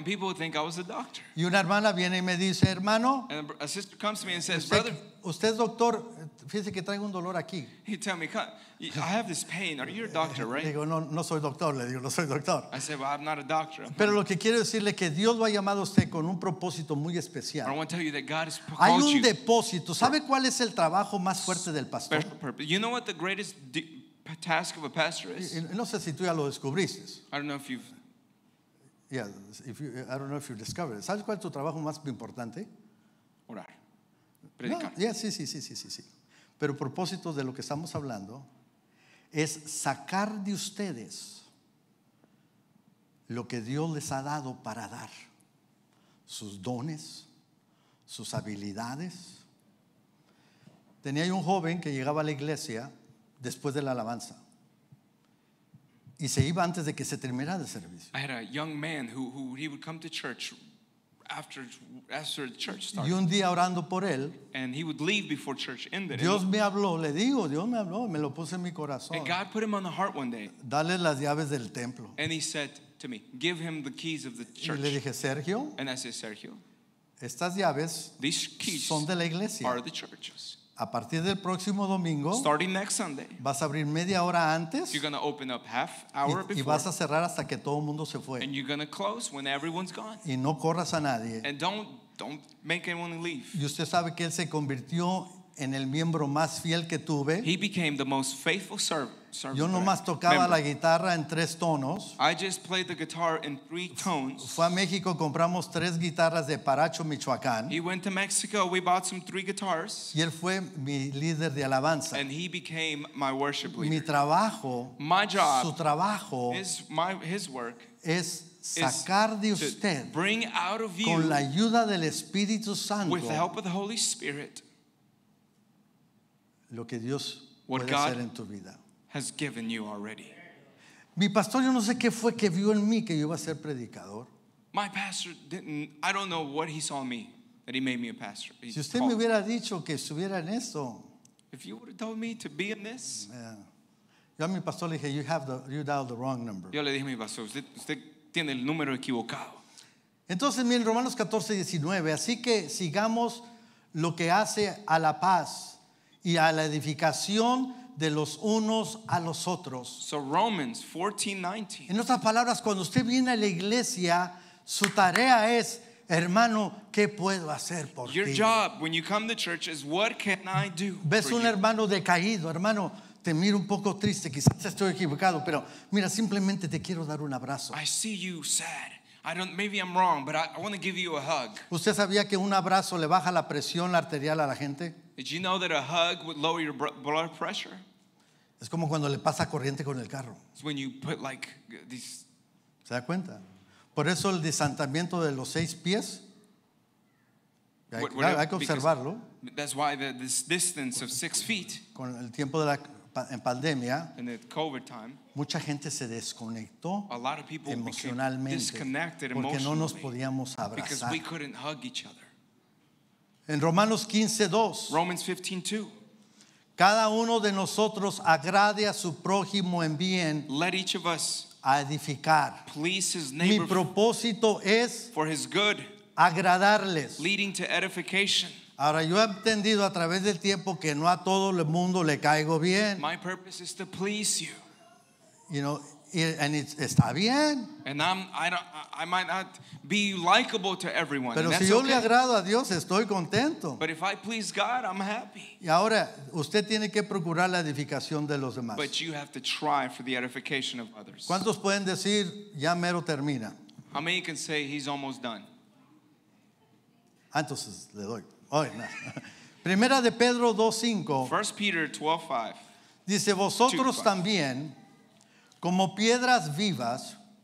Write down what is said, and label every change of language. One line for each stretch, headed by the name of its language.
English: And people would think I was a doctor.
Spanish: Y una hermana viene y me dice, hermano.
English: And a sister comes to me and says, brother.
Spanish: Usted es doctor, fíjese que traigo un dolor aquí.
English: He tell me, I have this pain. Are you a doctor, right?
Spanish: Digo, no soy doctor. Le digo, no soy doctor.
English: I said, well, I'm not a doctor.
Spanish: Pero lo que quiero decirle que Dios lo ha llamado a usted con un propósito muy especial.
English: I want to tell you that God has called you.
Spanish: Hay un depósito. ¿Sabe cuál es el trabajo más fuerte del pastor?
English: Special purpose. You know what the greatest task of a pastor is?
Spanish: No sé si tú ya lo descubriste.
English: I don't know if you've. Yeah, if you, I don't know if you discovered it.
Spanish: ¿Sabes cuál es tu trabajo más importante? Orar. No, yeah, sí. Pero a propósito de lo que estamos hablando, es sacar de ustedes lo que Dios les ha dado para dar. Sus dones, sus habilidades. Tenía yo un joven que llegaba a la iglesia después de la alabanza. Y se iba antes de que se terminara el servicio.
English: I had a young man who he would come to church after the church started.
Spanish: Y un día orando por él,
English: and he would leave before church ended.
Spanish: Dios me habló, le digo, Dios me habló, me lo puse en mi corazón.
English: And God put him on the heart one day.
Spanish: Dale las llaves del templo.
English: And he said to me, give him the keys of the church.
Spanish: Y le dije, Sergio.
English: And I said, Sergio.
Spanish: Estas llaves
English: these keys
Spanish: son de la iglesia.
English: Are the churches.
Spanish: A partir del próximo domingo,
English: starting next Sunday,
Spanish: vas a abrir media hora antes.
English: You're going to open up half hour before.
Spanish: Y vas a cerrar hasta que todo el mundo se fue.
English: And you're going to close when everyone's gone.
Spanish: Y no corras a nadie.
English: And don't make anyone leave.
Spanish: Y usted sabe que él se convirtió en el miembro más fiel que tuve.
English: He became the most faithful servant.
Spanish: Yo nomás tocaba la guitarra en tres tonos.
English: I just played the guitar in three tones.
Spanish: Fue a México, compramos tres guitarras de Paracho, Michoacán.
English: He went to Mexico, we bought some three guitars.
Spanish: Y él fue mi líder de alabanza.
English: And he became my worship leader.
Spanish: Mi trabajo,
English: my job,
Spanish: su trabajo,
English: his work,
Spanish: es sacar de usted,
English: bring out of you,
Spanish: con la ayuda del Espíritu Santo,
English: with the help of the Holy Spirit,
Spanish: lo que Dios
English: what
Spanish: puede
English: God
Spanish: hacer en tu vida.
English: Has given you already.
Spanish: Mi pastor, yo no sé qué fue que vio en mí que yo iba a ser predicador.
English: My pastor didn't, I don't know what he saw in me that he made me a pastor. He
Spanish: si usted me hubiera dicho que estuviera en eso.
English: If you would have told me to be in this.
Spanish: Yo a mi pastor le dije,
English: you dialed the wrong number.
Spanish: Yo le dije a mi pastor, usted tiene el número equivocado. Entonces, miren, Romanos 14, 19, así que sigamos lo que hace a la paz y a la edificación de los unos a los otros.
English: So Romans 14:19.
Spanish: En otras palabras, cuando usted viene a la iglesia, su tarea es, hermano, ¿qué puedo hacer por ti?
English: Your job when you come to church is what can I do?
Spanish: Ves un hermano decaído, hermano, te miro un poco triste, quizás estoy equivocado, pero mira, simplemente te quiero dar un abrazo.
English: I see you sad. I don't, maybe I'm wrong, but I want to give you a hug.
Spanish: ¿Usted sabía que un abrazo le baja la presión arterial a la gente?
English: Did you know that a hug would lower your blood pressure?
Spanish: Es como cuando le pasa corriente con el carro.
English: It's when you put like these.
Spanish: ¿Se da cuenta? Por eso el desatamiento de los seis pies. Hay que observarlo.
English: That's why this distance of 6 feet.
Spanish: Con el tiempo de la en pandemia.
English: In the COVID time.
Spanish: Mucha gente se desconectó emocionalmente
English: disconnected
Spanish: porque no nos podíamos abrazar.
English: We couldn't hug each other.
Spanish: En Romanos 15:2,
English: Romans 15:2,
Spanish: cada uno de nosotros agrade a su prójimo en bien,
English: let each of us
Spanish: a edificar.
English: Please his neighbor.
Spanish: Mi propósito es
English: for his good,
Spanish: agradarles,
English: leading to edification.
Spanish: Ahora yo he entendido a través del tiempo que no a todo el mundo le caigo bien.
English: My purpose is to please you. You know, and it's
Spanish: está bien.
English: And I might not be likable to everyone.
Spanish: Pero
English: that's
Spanish: si yo
English: okay.
Spanish: Le agrado a Dios, estoy contento.
English: But if I please God, I'm happy. Y ahora usted tiene que procurar la edificación de los demás. But you have to try for the edification of others. ¿Cuántos pueden decir ya mero termina? How many can say he's almost done?
Spanish: Entonces le doy. Hoy no. Primera de Pedro 2:5.
English: First Peter 12:5.
Spanish: Dice vosotros 2:5. También. Como piedras vivas,